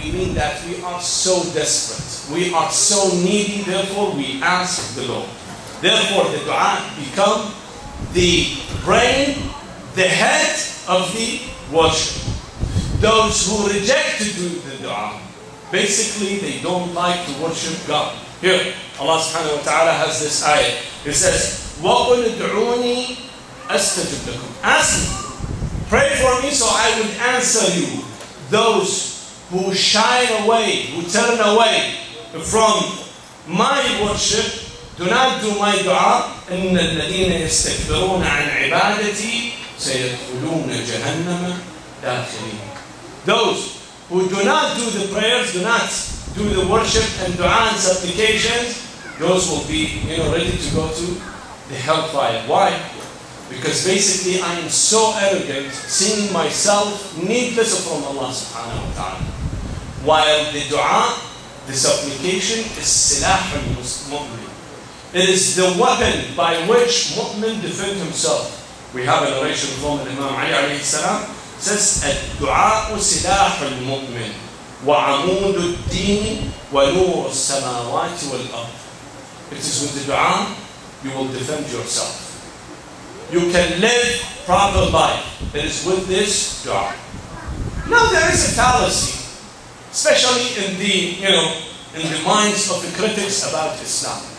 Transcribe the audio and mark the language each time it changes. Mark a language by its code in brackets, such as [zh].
[en] We mean that we are so desperate. We are so needy, therefore we ask the Lord. Therefore the dua become the brain, the head of the worship. Those who reject to do the dua, basically they don't like to worship God. Here, Allah subhanahu wa ta'ala has this ayah. It says, [ar] وَقُلْ دُعُونِي أَسْتَجِبْ لَكُمْ. [en] Ask me. Pray for me so I would answer you. Those who shy away, who turn away from my worship, do not do my dua. [ar] إِنَّ الَّذِينَ يَسْتَكْبِرُونَ عَنْ عِبَادَتِي سَيَدْخُلُونَ جَهَنَّمَ دَاخِلِينَ. [en] Those who do not do the prayers, do not do the worship and dua and supplications, those will be, you know, ready to go to the hellfire. Why? Because basically I am so arrogant, seeing myself needless from Allah subhanahu wa ta'ala. While the dua, the supplication, is [ar] silah al-mu'min. [en] It is the weapon by which mu'min defend himself. We have a narration from Imam Ali alayhi salam. Says [ar] الدعاء سلاح المؤمن وعمود الدين ونور السماوات والأرض. [en] It is with the dua you will defend yourself. You can live proper life. It is with this dua. Now there is a fallacy, especially in the, you know, in the minds of the critics about Islam.